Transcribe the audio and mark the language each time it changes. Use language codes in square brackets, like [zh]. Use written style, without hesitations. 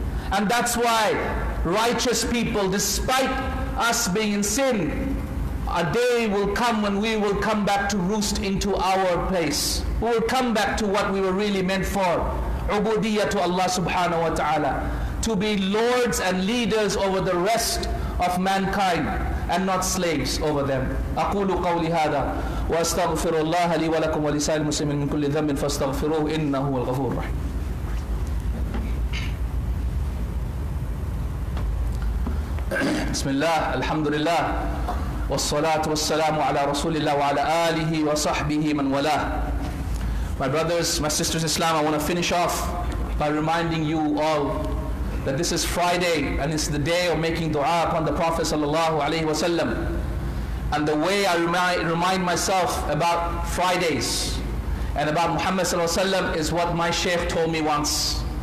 [en] And that's why righteous people, despite us being in sin, a day will come when we will come back to roost into our place. We will come back to what we were really meant for. Ubudiyyah to Allah subhanahu wa ta'ala. To be lords and leaders over the rest of mankind and not slaves over them. [ar] أقول قولي هذا وأستغفر الله لي ولكم ولسائر المسلمين من كل ذنب فاستغفروه إنه هو الغفور الرحيم. بسم الله الحمد لله والصلاة والسلام على رسول الله وعلى آله وصحبه من والاه. [en] My brothers, my sisters in Islam, I want to finish off by reminding you all that this is Friday and it's the day of making dua upon the Prophet sallallahu alaihi wasallam. And the way I remind myself about Fridays and about Muhammad sallallahu alaihi wasallam is what my Shaykh told me once.